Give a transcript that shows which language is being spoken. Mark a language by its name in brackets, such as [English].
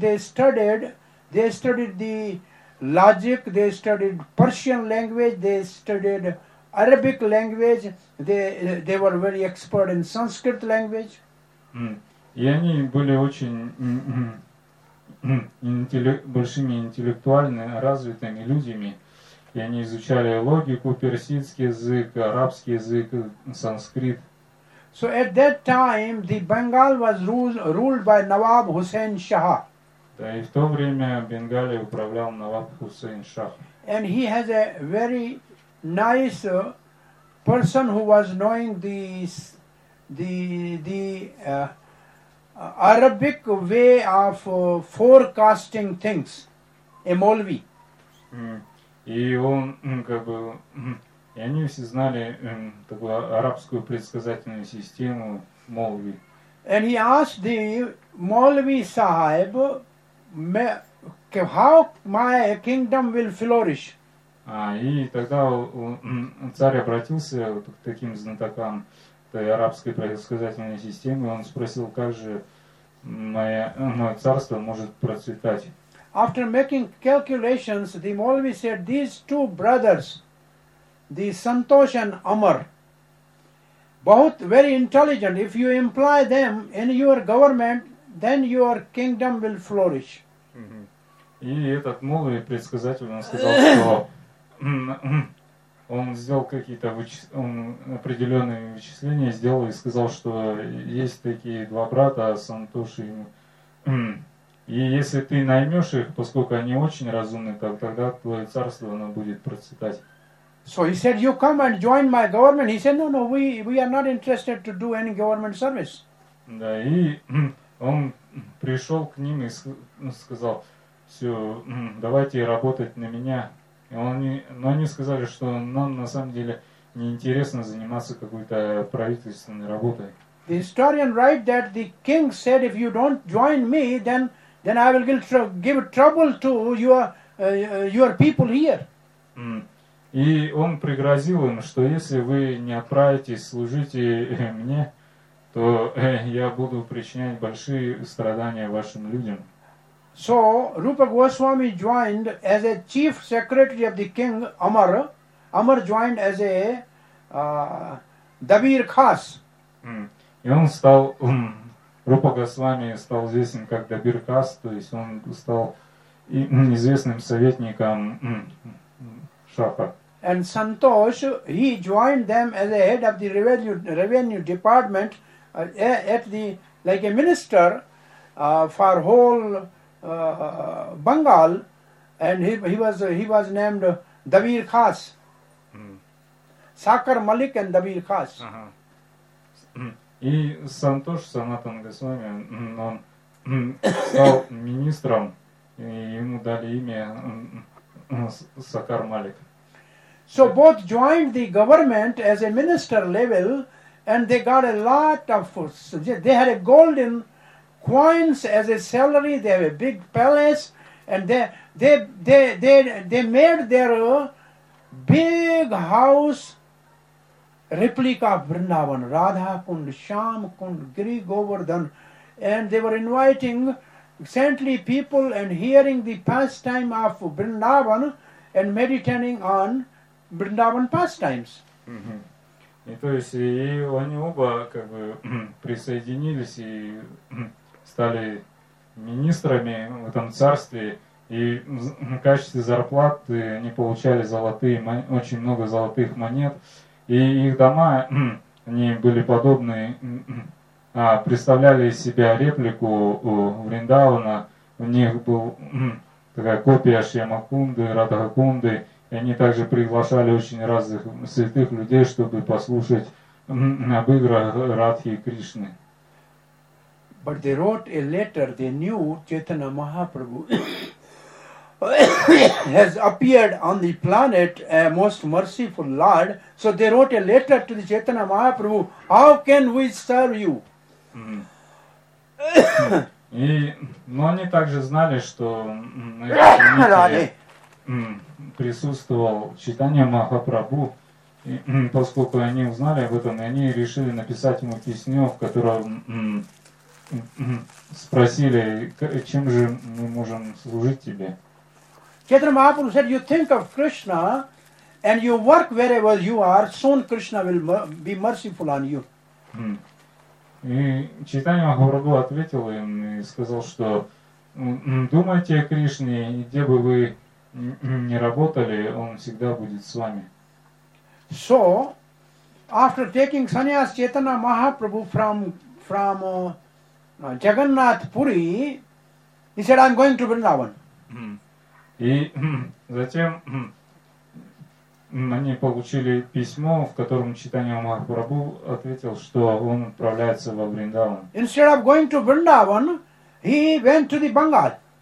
[English] They studied the logic, they studied Persian language, they studied Arabic language, they were very expert in Sanskrit language. [Russian] И они были очень большими интеллектуальными, развитыми людьми. И они изучали логику, персидский язык, арабский язык, санскрит. [English] So at that time, the Bengal was ruled by Nawab Hussain Shah. [Russian] Да, и в то время Бенгалией управлял Наваб Хусейн Шах. [English] And he has a very nice person who was knowing the Arabic way of forecasting things, a Maulvi. [Russian] И он как бы И они все знали такую арабскую предсказательную систему молви. [English] And he asked the Maulvi Sahib, how my kingdom will flourish? [Russian] И тогда царь обратился вот к таким знатокам той арабской предсказательной системы, и он спросил, как же мое царство может процветать. [English] After making calculations, the Maulvi said, these two brothers, the Santosh and Amar, both very intelligent. If you employ them in your government, then your kingdom will flourish. [Russian] И этот Молви предсказатель, он сказал, что он сделал какие-то определенные вычисления, сделал и сказал, что есть такие два брата, Сантоши и И если ты наймешь их, поскольку они очень разумны, тогда твое царство оно будет процветать. [English] So he said, you come and join my government. He said, no, we are not interested to do any government service. [Russian] Да, и он пришел к ним и сказал, все, давайте работать на меня. Но они сказали, что нам на самом деле не интересно заниматься какой-то правительственной работой. [English] The historian write that the king said, if you don't join me, then I will give trouble to your people here. [Russian] И он пригрозил им, что если вы не отправитесь служить мне, то я буду причинять большие страдания вашим людям. [English] So Rupa Goswami joined as a chief secretary of the king Amar. Amar joined as a Dabir Khas. [Russian] И он стал, Рупа Госвами стал известен как Дабир Кас, то есть он стал известным советником Шаха. [English] And Santosh, he joined them as a head of the revenue department at the like a minister for whole Bengal, and he was named Dabir Khas. Sakar Malik and Dabir Khas. [Russian] И Сантош Санатан Госвами, он стал министром, и ему дали имя Сакар Малик. [English] So both joined the government as a minister level, and they got a lot of, they had a golden coins as a salary, they have a big palace, and they made their big house replica of Vrindavan, Radha Kund, Sham Kund, Giri Govardhan, and they were inviting saintly people and hearing the pastime of Vrindavan and meditating on Vrindavan pastimes. [Russian] Mm-hmm. И то есть и они оба как бы присоединились и стали министрами в этом царстве, и в качестве зарплаты они получали золотые, очень много золотых монет. И их дома, они были подобны, представляли из себя реплику Вриндавана. У них была такая копия Шьямакунды, Радхакунды. И они также приглашали очень разных святых людей, чтобы послушать об играх Радхи и Кришны. [English] But they wrote a letter, they knew Chaitanya Mahaprabhu has appeared on the planet, a most merciful Lord. So they wrote a letter to the Chaitanya Mahaprabhu, how can we serve you? [Russian] Но они также знали, что наверное, присутствовал Чайтанья Махапрабху, и, поскольку они узнали об этом, и они решили написать ему письмо, в котором спросили, чем же мы можем служить тебе. [English] Chaitanya Mahaprabhu said, you think of Krishna and you work wherever you are, soon Krishna will be merciful on you. [Russian] И Чайтанья Махапрабху ответил им и сказал, что думайте о Кришне, и где бы вы ни работали, он всегда будет с вами. [English] So, after taking sannyas, Chaitanya Mahaprabhu from Jagannath Puri, he said, I'm going to Vrindavan. [Russian] И затем они получили письмо, в котором Чайтанья Махапрабху ответил, что он отправляется во Вриндаван. [English] Instead of going to Vrindavan, he went to the Bengal.